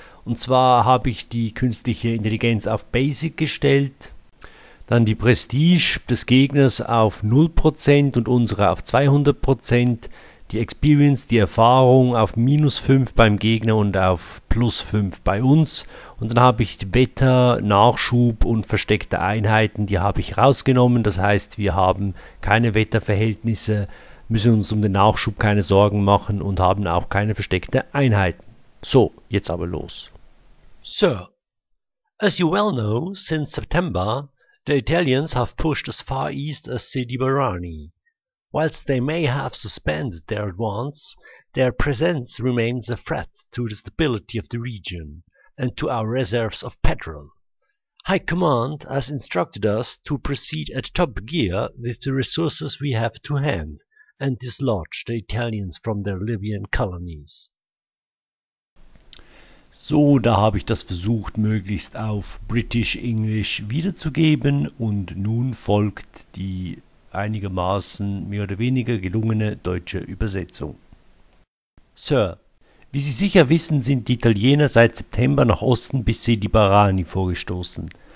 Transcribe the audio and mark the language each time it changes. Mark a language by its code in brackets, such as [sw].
[de] Und zwar habe ich die künstliche Intelligenz auf Basic gestellt, dann die Prestige des Gegners auf 0% und unsere auf 200%, die Experience, die Erfahrung auf minus 5 beim Gegner und auf plus 5 bei uns. Und dann habe ich Wetter, Nachschub und versteckte Einheiten, die habe ich rausgenommen. Das heißt, wir haben keine Wetterverhältnisse, müssen uns um den Nachschub keine Sorgen machen und haben auch keine versteckte Einheiten. So, jetzt aber los. [en] Sir, as you well know, since September, the Italians have pushed as far east as Sidi Barrani. Whilst they may have suspended their advance, their presence remains a threat to the stability of the region and to our reserves of petrol. High Command has instructed us to proceed at top gear with the resources we have to hand and dislodge the Italians from their Libyan colonies. [de] So, da habe ich das versucht, möglichst auf British English wiederzugeben und nun folgt die einigermaßen mehr oder weniger gelungene deutsche Übersetzung. Sir, wie Sie sicher wissen, sind die Italiener seit September nach Osten bis Sidi Barrani vorgestoßen.